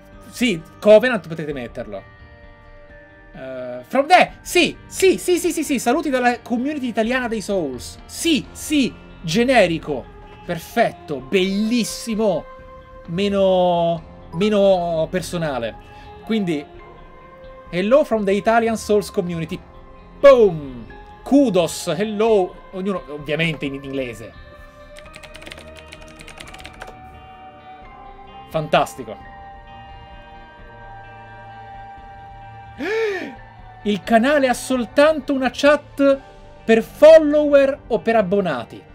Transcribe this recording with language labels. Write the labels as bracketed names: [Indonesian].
[Italian] Sì, Covenant potete metterlo. [English] From there, [Italian] sì, saluti dalla community italiana dei Souls. Sì, generico, perfetto, bellissimo, meno personale. Quindi, [English] hello from the Italian Souls community. Boom! Kudos, hello, [Italian] ognuno ovviamente in inglese. Fantastico. Il canale ha soltanto una chat per follower o per abbonati.